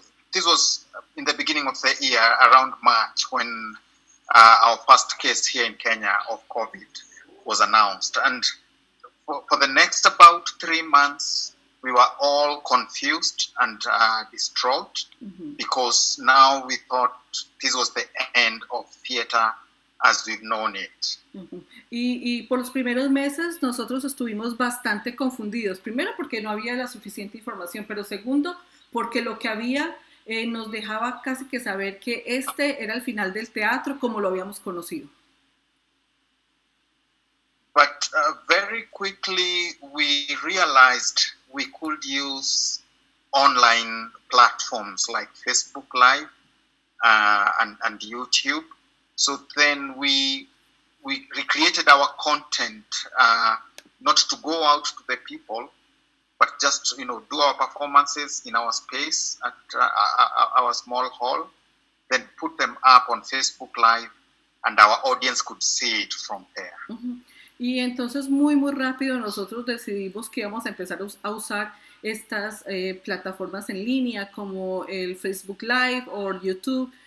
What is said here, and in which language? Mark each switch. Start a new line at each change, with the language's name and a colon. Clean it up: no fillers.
English: This was in the beginning of the year, around March, when our first case here in Kenya of COVID was announced. And For the next about 3 months, we were all confused and distraught because now we thought this was the end of theater as we've known it.
Spanish: Y por los primeros meses nosotros estuvimos bastante confundidos. Primero porque no había la suficiente información, pero segundo porque lo que había nos dejaba casi que saber que este era el final del teatro como lo habíamos conocido.
English: But very quickly we realized we could use online platforms like Facebook Live and YouTube. So then we recreated our content, not to go out to the people, but just, you know, do our performances in our space at our small hall, then put them up on Facebook Live and our audience could see it from there. Mm-hmm.
Spanish: Y entonces muy, muy rápido nosotros decidimos que íbamos a empezar a usar estas plataformas en línea como el Facebook Live o YouTube.